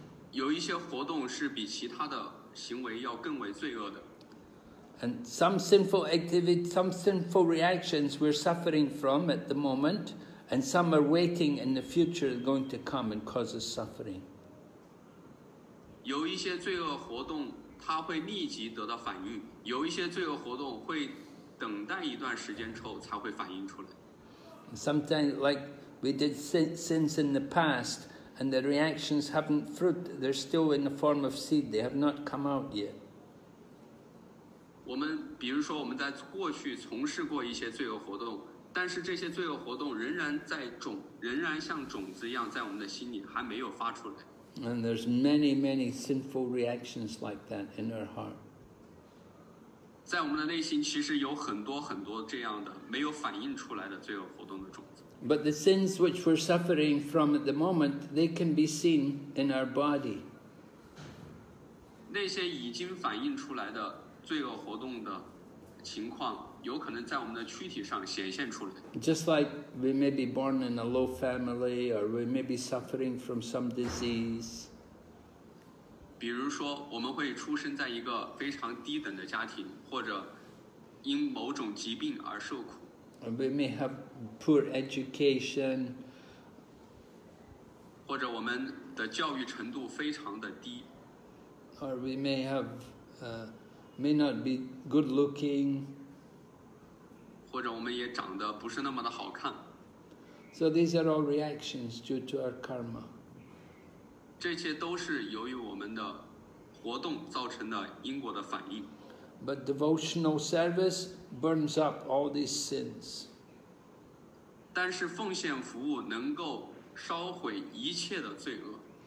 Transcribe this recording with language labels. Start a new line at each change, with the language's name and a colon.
Chinese: 有一些活动是比其他的行为要更为罪恶的。
English: And some sinful activity, some sinful reactions we're suffering from at the moment, and some are waiting in the future going to come and cause us suffering.
Chinese: 有一些罪恶活动它会立即得到反应，有一些罪恶活动会等待一段时间之后才会反应出来。
English: Sometimes, like we did sins in the past,and the reactions haven't fruit, they're still in the form of seed, they have not come out yet.
Chinese: 我们比如说我们在过去从事过一些罪恶活动，但是这些罪恶活动仍然在种，仍然像种子一样在我们的心里还没有发出来。
English: And there's many, many sinful reactions like that in our heart.
Chinese: 在我们的内心其实有很多很多这样的没有反映出来的罪恶活动的种子。
English: But the sins which we're suffering from at the moment, they can be seen in our body.
Chinese: 那些已经反映出来的罪恶活动的情况有可能在我们的躯体上显现出来。
English: Just like we may be born in a low family, or we may be suffering from some disease.
Chinese: 比如说，我们会出生在一个非常低等的家庭，或者因某种疾病而受苦。
English: We may have poor education.
Chinese: 或者我们的教育程度非常的低。
English: Or we may have, may not be good looking.
Chinese: 或者我们也长得不是那么的好看。
English: So these are all reactions due to our karma.
Chinese: 这些都是由于我们的活动造成的因果的反应。
English: But devotional service burns up all these sins.
Chinese: 但是奉献服务能够烧毁一切的罪恶。